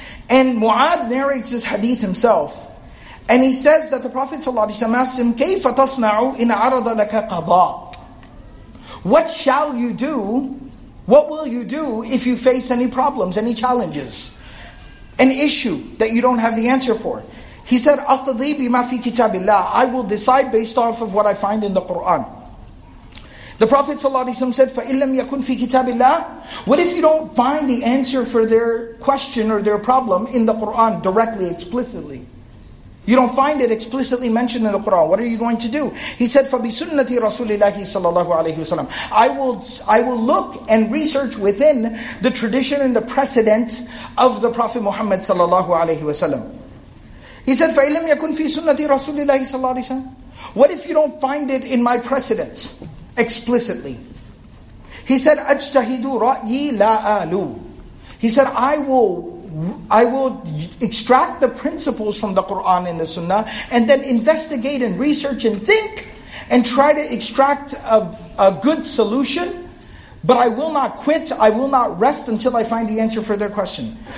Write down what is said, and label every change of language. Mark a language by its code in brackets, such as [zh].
[en] And Mu'adh narrates this hadith himself. And he says that the Prophet ﷺ asked him, [ar] كَيْفَ تَصْنَعُ إِنْ عَرَضَ لَكَ قَضَاءٌ. [en] What shall you do? What will you do if you face any problems, any challenges? An issue that you don't have the answer for? He said, [ar] أَقْضِي بِمَا فِي كِتَابِ اللَّهِ. [en] I will decide based off of what I find in the Qur'an. The Prophet ﷺ said, [ar] فَإِن لَمْ يَكُنْ فِي كِتَابِ اللَّهِ. [en] What if you don't find the answer for their question or their problem in the Qur'an directly, explicitly? You don't find it explicitly mentioned in the Qur'an. What are you going to do? He said, [ar] فَبِسُنَّةِ رَسُولِ اللَّهِ صَلَى اللَّهُ عَلَيْهِ وَسَلَمْ. [en] I will look and research within the tradition and the precedent of the Prophet Muhammad ﷺ. He said, [ar] فَإِن لَمْ يَكُنْ فِي سُنَّةِ رَسُولِ اللَّهِ صَلَى اللَّهُ عَلَيْهِ وَسَلَمْ. [en] What if you don't find it in my precedents? Explicitly. He said, [ar] أَجْتَهِدُ رَأْيِي لَا أَلُو. [en] He said, I will extract the principles from the Qur'an and the Sunnah and then investigate and research and think and try to extract a good solution. But I will not quit, I will not rest until I find the answer for their question.